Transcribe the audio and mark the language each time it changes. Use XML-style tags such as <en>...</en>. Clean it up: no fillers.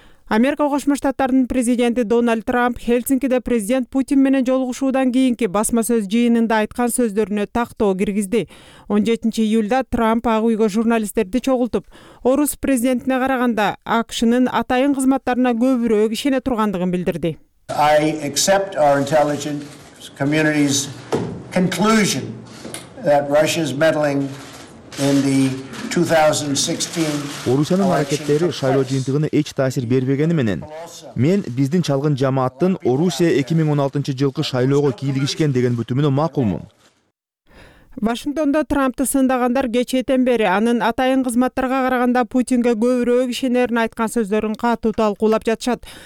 <ky>Америка Кошмо Штаттарынын президенти Дональд Трамп Хельсинкиде президент Путин менен жолугушуудан кийинки басма сөз жыйынында айткан сөздөрүнө тактоо киргизди. 17 июлда Трамп Ак Үйгө журналисттерди чогултуп, орус президентине караганда АКШнын атайын кызматтарына көбүрөөк ишене тургандыгын билдирди.</ky> <en>I accept our intelligence community's conclusion that Russia's meddling in the 2016</en> <ky>Орусиянын аракеттери шайлоо жыйынтыгына эч таасир бербегени менен мен биздин чалгын жамааттын Орусия 2016 жылкы шайлоого кийлигишкен деген бүтүмүнө макулмун. Вашингтондо Трампты сындагандар кечээтен бери анын атайын кызматтарга караганда Путинге көбүрөөк ишенерин айткан сөздөрүн катуу талкуулап жатышат.</ky>